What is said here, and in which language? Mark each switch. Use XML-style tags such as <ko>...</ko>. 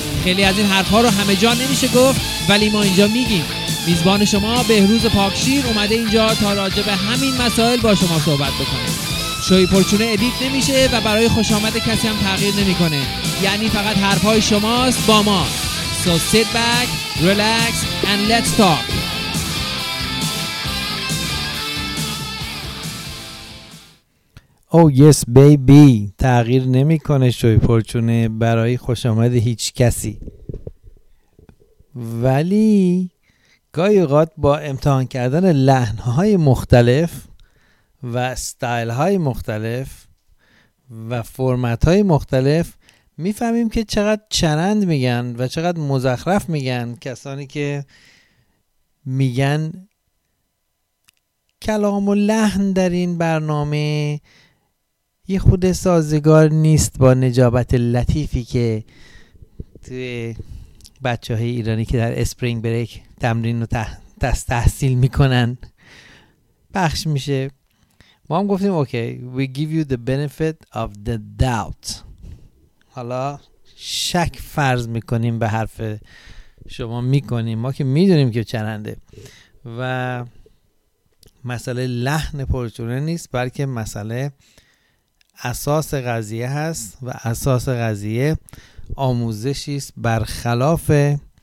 <fa>خیلی از این حرفها رو همه جا نمیشه گفت ولی ما اینجا میگیم. میزبان شما بهروز پاکشیر اومده اینجا تا راجع به همین مسائل با شما صحبت بکنه. شوی پرچونه ادیت نمیشه و برای خوش آمد کسی هم تغییر نمیکنه، یعنی فقط حرفهای شماست با ما.</fa> <en>So sit back, relax and let's talk.</en> <fa>او یس بیبی، تغییر نمیکنه شوی پرچونه برای خوش آمد هیچ کسی، ولی گاهی اوقات با امتحان کردن لحن‌های مختلف و استایل‌های مختلف و فرمت‌های مختلف میفهمیم که چقدر چرند میگن و چقدر مزخرف میگن کسانی که میگن کلام و لحن در این برنامه یه خود سازگار نیست با نجابت لطیفی که توی بچه های ایرانی که در اسپرینگ بریک تمرین و تحصیل میکنن پخش میشه. ما هم گفتیم اوکی،</fa> <en>we give you the benefit of the doubt.</en> <fa>حالا شک فرض میکنیم به حرف شما میکنیم، ما که میدونیم که چرنده و مسئله لحن پرچونه نیست، بلکه مسئله اساس قضیه هست و اساس قضیه آموزشی است برخلاف</fa>